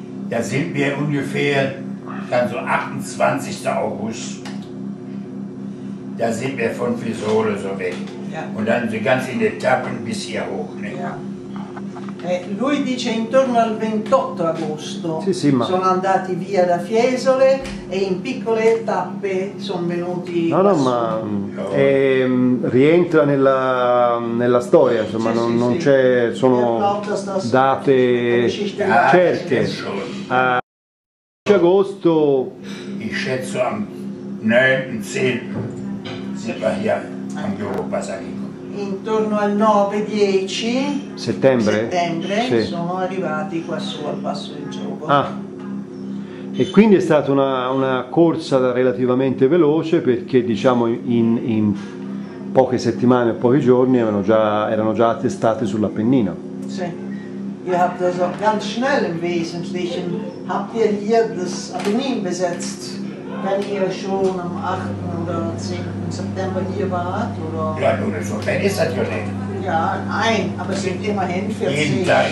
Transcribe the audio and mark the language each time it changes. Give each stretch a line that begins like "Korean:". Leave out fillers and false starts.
German: Da sind wir ungefähr, dann so 28. August, da sind wir von Fiesole so weg. Ja. Und dann die ganzen Etappen bis hier hoch. Ne? Ja.
Italian: Lui dice intorno al 28 agosto sono andati via da Fiesole e in piccole tappe sono venuti. Rientra nella storia, insomma, non c'è, sono date certe. Il 10 agosto,
German: ich schätze am 9. 10. sind wir hier am Europa, sag ich.
Italian: intorno al 9-10 settembre sì, sono arrivati quassù al Passo del Gioco. Ah, e quindi è stata una corsa relativamente veloce, perché diciamo in poche settimane o pochi giorni erano già attestate sull'Appennino. Sì.
German: Ihr habt also ganz schnell im Wesentlichen, habt ihr hier das Appennin besetzt, wenn ihr schon am 8. oder 10. September hier wart, oder? Ja, nun, so schnell ist das ja nicht. Ja, nein, aber es sind immerhin 40.